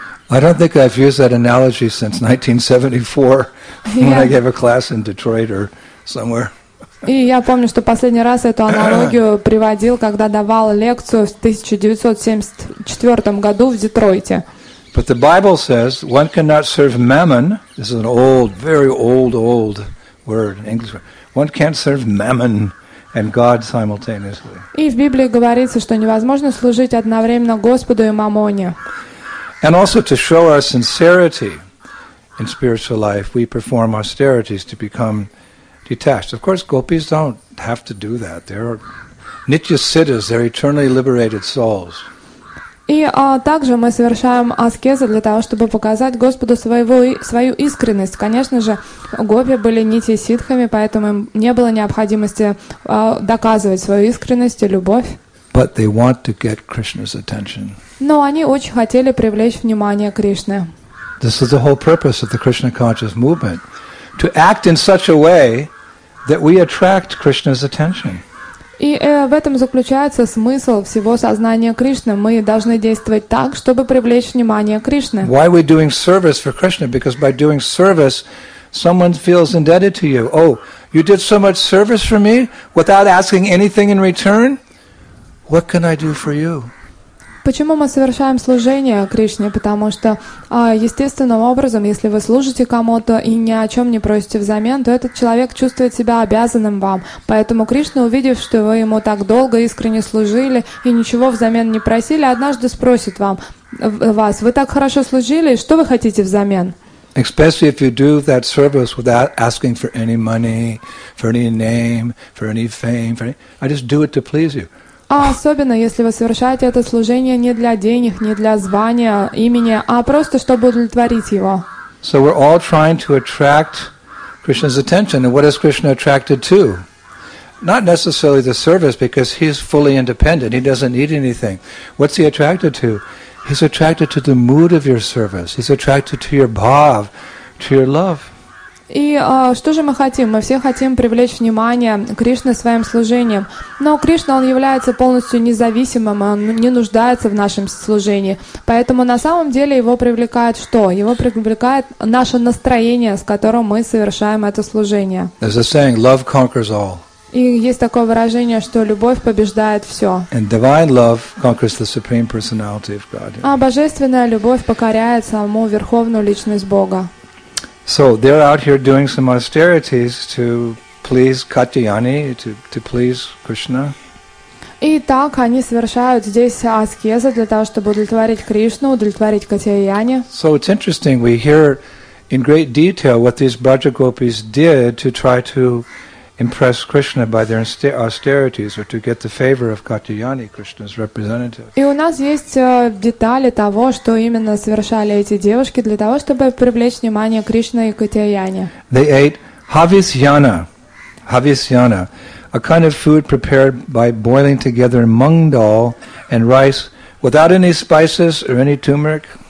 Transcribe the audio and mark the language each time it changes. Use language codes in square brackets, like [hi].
[en] I don't think I've used that analogy since 1974, when I gave a class in Detroit or somewhere. [ru] И я помню, что последний раз эту аналогию приводил, когда давал лекцию в 1974 году в Детройте. [en] But the Bible says one cannot serve mammon. This is an old, very old, old word, English word. One can't serve mammon and God simultaneously. [ru] И в Библии говорится, что невозможно служить одновременно Господу и Мамоне. [en] And also to show our sincerity in spiritual life, we perform austerities to become detached. Of course, gopis don't have to do that. They're nitya siddhas, they're eternally liberated souls. [ru] И также мы совершаем аскезы для того, чтобы показать Господу свою искренность. Конечно же, гопи были нитья сиддхами, поэтому им не было необходимости доказывать свою искренность и любовь. [en] But they want to get Krishna's attention. [ru] Но они очень хотели привлечь внимание Кришны. [en] This is the whole purpose of the Krishna conscious movement, to act in such a way that we attract Krishna's attention. [ru] И в этом заключается смысл всего сознания Кришны. Мы должны действовать так, чтобы привлечь внимание Кришны. [en] Why are we doing service for Krishna? Because by doing service, someone feels indebted to you. Oh, you did so much service for me without asking anything in return? What can I do for you? [ru] Почему мы совершаем служение Кришне? Потому что естественным образом, если вы служите кому-то и ни о чем не просите взамен, то этот человек чувствует себя обязанным вам. Поэтому Кришна, увидев, что вы ему так долго искренне служили и ничего взамен не просили, однажды спросит вас, вы так хорошо служили, что вы хотите взамен? [en] Especially if you do that service without asking for any money, for any name, for any fame, for any... I just do it to please you. [ru] А особенно, если вы совершаете это служение не для денег, не для звания, имени, а просто чтобы удовлетворить его. [en] So we're all trying to attract Krishna's attention. And what is Krishna attracted to? Not necessarily the service, because he's fully independent. He doesn't need anything. What's he attracted to? He's attracted to the mood of your service. He's attracted to your bhav, to your love. [ru] И что же мы хотим? Мы все хотим привлечь внимание Кришны своим служением. Но Кришна, он является полностью независимым, он не нуждается в нашем служении. Поэтому на самом деле его привлекает что? Его привлекает наше настроение, с которым мы совершаем это служение. [en] There's a saying, love conquers all. [ru] И есть такое выражение, что любовь побеждает все. [en] And divine love conquers the supreme personality of God. [ru] А божественная любовь покоряет саму верховную личность Бога. [en] So they're out here doing some austerities to please Katyayani, to please Krishna. [ru] И так они совершают здесь аскезы для того, чтобы удовлетворить Кришну, удовлетворить Катьяяне. [en] So it's interesting, we hear in great detail what these Brajagopis did to try to impress Krishna by their austerities or to get the favor of Katyayani, Krishna's representative. [ru] И у нас есть детали того, что именно совершали эти девушки для того, чтобы привлечь внимание Кришны и Катьяяне. [en] They ate havisyana, havisyana, a kind of food prepared by boiling together mung dal and rice without any spices or any turmeric.